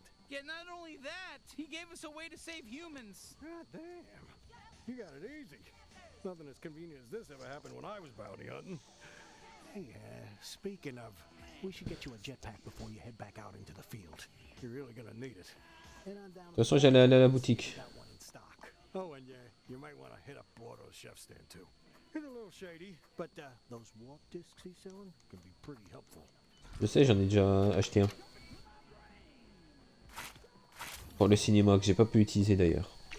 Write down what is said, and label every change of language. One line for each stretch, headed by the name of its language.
English: Yeah, not only that, he gave us a way to save humans. God damn. You got it easy. Nothing as convenient as this ever happened when I was bounty hunting. Hey, speaking of, we should get you a jetpack before you head back out into the field. You're really gonna need it.
French: De toute façon, j'allais aller à la boutique.
English: Oh, and yeah, you might want to hit up Bordeaux's chef stand too. It's a little shady, but those warp discs he's selling can be pretty helpful.
French: Je sais, j'en ai déjà acheté un. Pour le cinéma, que j'ai pas pu utiliser d'ailleurs.